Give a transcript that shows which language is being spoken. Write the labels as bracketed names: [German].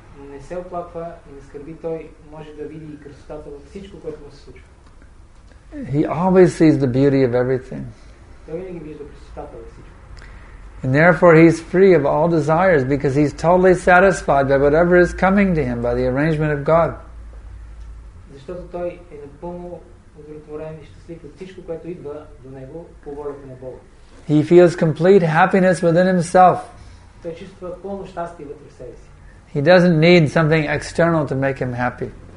[Bulgarian] Не се оплаква и не скърби, той може да види и красотата във всичко, което му се случва. [English] He always sees the beauty of everything. [Bulgarian] Той винаги вижда красотата във всичко. [English] And therefore he's free of all desires because he's totally satisfied by whatever is coming to him by the arrangement of God. [Bulgarian] Защото той е напълно удовлетворен и щастлив от всичко, което идва до него по волята на Бога. [English] He feels complete happiness within himself. [Bulgarian] Той чувства пълно щастие вътре в себе си. [English] He doesn't need something external to make him happy.